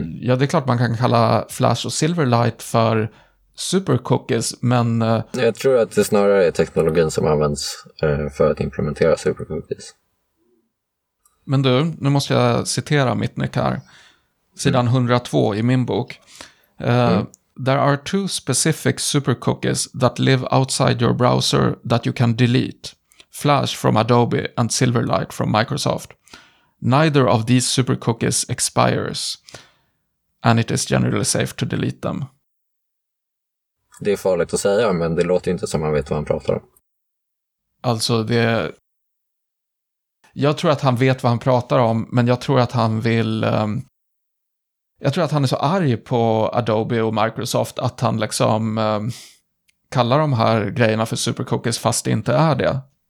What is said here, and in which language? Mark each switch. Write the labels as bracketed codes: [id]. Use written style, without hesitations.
[sv] Ja, det är klart man kan kalla Flash och Silverlight för supercookies, men... Jag tror att det snarare är teknologin som används för att implementera supercookies. Men du, nu måste jag citera Mitnick här. Sidan 102 i min bok. [en] There are two specific supercookies that live outside your browser that you can delete. Flash from Adobe and Silverlight from Microsoft. Neither of these supercookies expires. And it is generally safe to delete them. [sv] Det är farligt att säga, men det låter inte som man vet vad han pratar om. Alltså, det... Jag tror att han vet vad han pratar om, men jag tror att han vill... Jag tror att han är så arg på Adobe och Microsoft att han liksom kallar de här grejerna för supercookies fast det inte är det.